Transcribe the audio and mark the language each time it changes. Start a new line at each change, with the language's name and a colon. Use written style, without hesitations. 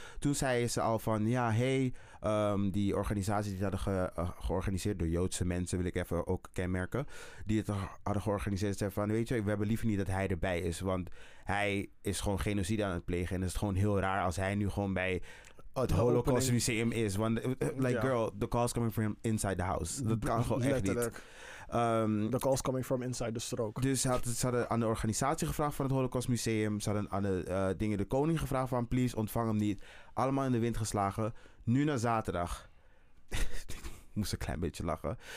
Dutch: Toen zeiden ze al van, ja, die organisatie die het hadden georganiseerd door Joodse mensen, wil ik even ook kenmerken, die het hadden georganiseerd, zeiden van, weet je, we hebben liever niet dat hij erbij is, want hij is gewoon genocide aan het plegen. En het is gewoon heel raar als hij nu gewoon bij het Holocaust Museum is.
English: Want, girl, the call's coming from inside the house.
Dutch: Dat kan gewoon echt niet.
English: The call's coming from inside the strook.
Dutch: Dus ze hadden aan de organisatie gevraagd van het Holocaust Museum. Ze hadden aan de koning gevraagd van, please, ontvang hem niet. Allemaal in de wind geslagen. Nu naar zaterdag. moest een klein beetje lachen.